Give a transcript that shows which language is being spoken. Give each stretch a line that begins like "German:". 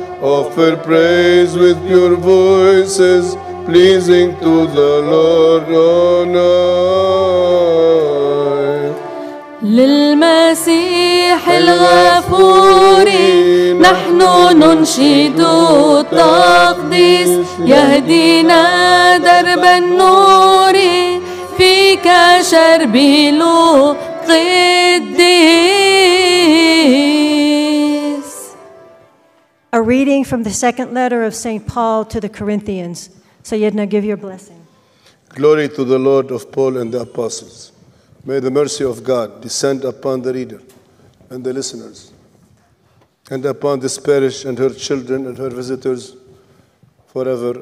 English: Offer praise with pure voices, pleasing to the Lord on high.
Arabic: للمسيح الغفور نحن ننشد التقديس يهدينا درب النور فيك شربيل قديس.
English: A reading from the second letter of St. Paul to the Corinthians. Sayyidina, give your blessing. Glory to the Lord of Paul and the apostles. May the mercy of God descend upon the reader and the listeners, and upon this parish and her children and her visitors forever.